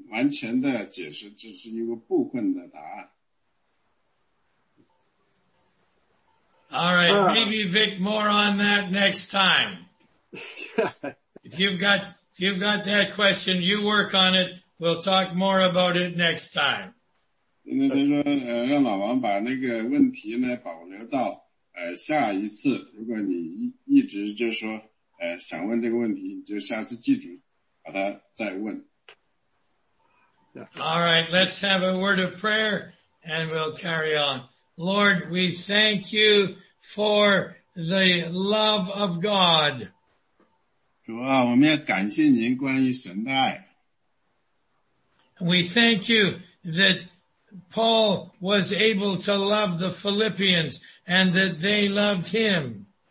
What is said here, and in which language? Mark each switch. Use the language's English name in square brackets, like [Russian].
[Chinese] 这不是一个完全的解释，只是一个部分的答案。 [English] All right, maybe Vic, more on that next time. if you've got that question, you work on it. We'll talk more about it next time. [Chinese] 那他说，让老王把那个问题呢保留到下一次。如果你一直就说想问这个问题，就下次记住把它再问。 [English] All right, let's have a word of prayer and we'll carry on. Lord, we thank you for the love of God. [Chinese] 主啊，我们要感谢您关于神的爱。 [English] We thank you that Paul was able to love the Philippians and that they loved him.